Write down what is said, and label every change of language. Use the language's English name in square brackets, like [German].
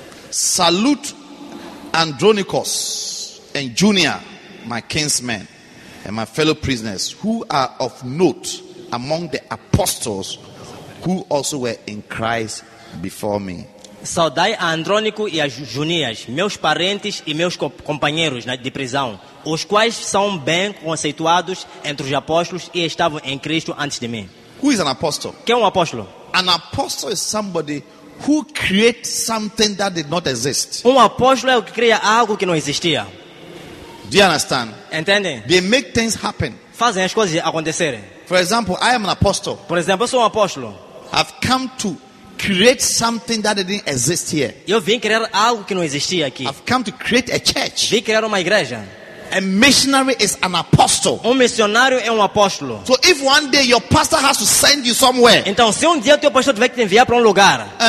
[English] Salute Andronicus and Junia, my kinsmen and my fellow prisoners, who are of note among the apostles who also were in Christ before me. [Portuguese] Saudai a Andrônico e a Junias, meus parentes e meus companheiros de prisão, os quais são bem conceituados entre os apóstolos e estavam em Cristo antes de mim. [English] Who is an apostle? [Portuguese] Quem é um apóstolo? [English] An apostle is somebody who created something that did not exist. [Portuguese] Um apóstolo é o que cria algo que não existia. [English] Do you understand? [Portuguese] Entendem? [English] They make things happen. [Portuguese] Fazem as coisas acontecerem. [English] For example, I am an apostle. [Portuguese] Por exemplo, eu sou um apóstolo. [English] I've come to create something that didn't exist here. [Portuguese] Eu vim criar algo que não existia aqui. [English] I've come to create a church. [Portuguese] Vim criar uma igreja. [English] A missionary is an apostle. [Portuguese] Um missionário é um apóstolo. [English] So if one day your pastor has to send you somewhere, [Portuguese] então se um dia o teu pastor tiver que te enviar para um lugar,